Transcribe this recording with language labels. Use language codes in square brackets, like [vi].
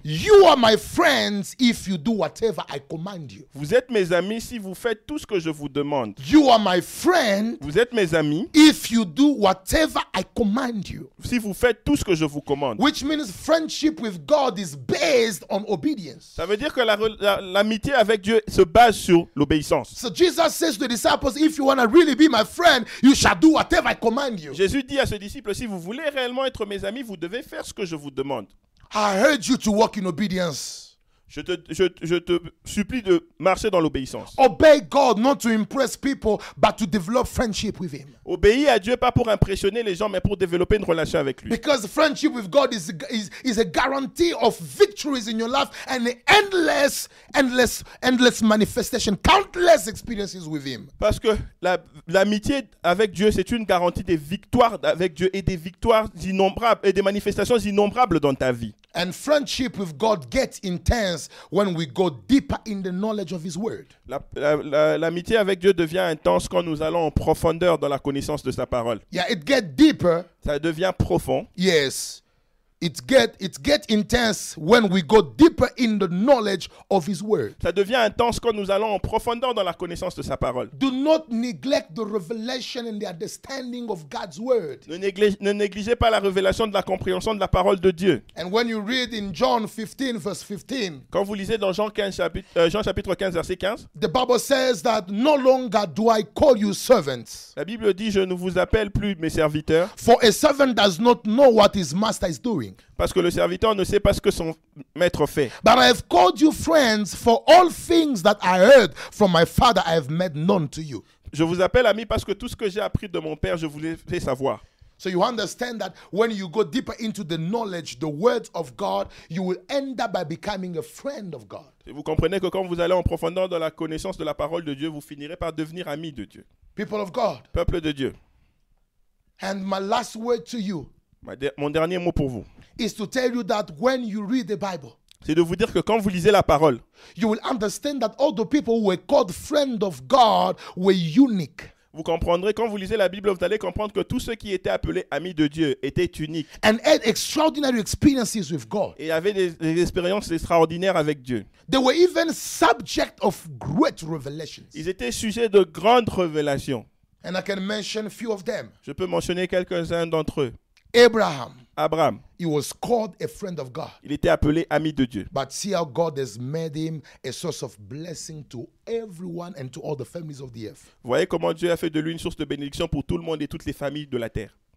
[en] You are my friends if you do whatever I command you. [fr] Vous êtes mes amis si vous faites tout ce que je vous demande. [en] You are my friend. [fr] Vous êtes mes amis. [en] If you do whatever I command you. [fr] Si vous faites tout ce que je vous commande. [en] Which means friendship with God is based on obedience. [fr] Ça veut dire que l'amitié avec Dieu se base sur l'obéissance. [en] So Jesus says to the disciples, if you want to really be my friend, you shall do whatever I command you. [fr] Jésus dit à ses disciples, si vous voulez réellement être mes amis, vous devez faire ce que je vous demande. [en] I urge you to walk in obedience. [fr] Je te supplie de marcher dans l'obéissance. [en] Obey God not to impress people, but to develop friendship with him. [fr] Obéis à Dieu pas pour impressionner les gens, mais pour développer une relation avec lui. [en] Because friendship with God is a guarantee of victories in your life and endless manifestation, countless experiences with him. [fr] Parce que l'amitié avec Dieu, c'est une garantie des victoires avec Dieu et des victoires innombrables et des manifestations innombrables dans ta vie. [en] And friendship with God gets intense when we go deeper in the knowledge of his word. [fr] L'amitié avec Dieu devient intense quand nous allons en profondeur dans la connaissance de sa parole. [en] Yeah, it gets deeper. [fr] Ça devient profond. [en] Yes. It get intense when we go deeper in the knowledge of his word. [fr] Ça devient intense quand nous allons en profondeur dans la connaissance de sa parole. [en] Do not neglect the revelation and the understanding of God's word. [fr] Ne négligez pas la révélation de la compréhension de la parole de Dieu. [en] And when you read in John 15 verse 15. [fr] Quand vous lisez dans Jean chapitre 15 verset 15. [en] The Bible says that no longer do I call you servants. [fr] La Bible dit je ne vous appelle plus mes serviteurs. [en] For a servant does not know what his master is doing. [fr] Parce que le serviteur ne sait pas ce que son maître fait. [en] But I have called you friends for all things that I heard from my father I have made known to you. [fr] Je vous appelle ami parce que tout ce que j'ai appris de mon père, je vous l'ai fait savoir. [en] So you understand that when you go deeper into the knowledge, the words of God, you will end up by becoming a friend of God. [fr] Et vous comprenez que quand vous allez en profondeur dans la connaissance de la parole de Dieu, vous finirez par devenir ami de Dieu. [en] People of God. [fr] Peuple de Dieu. [en] And my last word to you. [fr] Mon dernier mot pour vous. [en] Is to tell you that when you read the Bible. [fr] C'est de vous dire que quand vous lisez la parole, [en] you will understand that all the people who were called friends of God were unique. [fr] Vous comprendrez quand vous lisez la Bible, vous allez comprendre que tous ceux qui étaient appelés amis de Dieu étaient uniques. [en] And had extraordinary experiences with God. [fr] Et avaient des expériences extraordinaires avec Dieu. [en] They were even subject of great revelations. [fr] Ils étaient sujets de grandes révélations. [en] And I can mention a few of them. [fr] Je peux mentionner quelques-uns d'entre eux. [en] Abraham. [fr] Abraham. [en] He was called a friend of God. [fr] Il était appelé ami de Dieu. [en] But see how God has made him a source of blessing to everyone and to all the families of the earth. [fr] Voyez comment Dieu a fait de lui une source de bénédiction pour tout le monde et toutes les familles de la terre.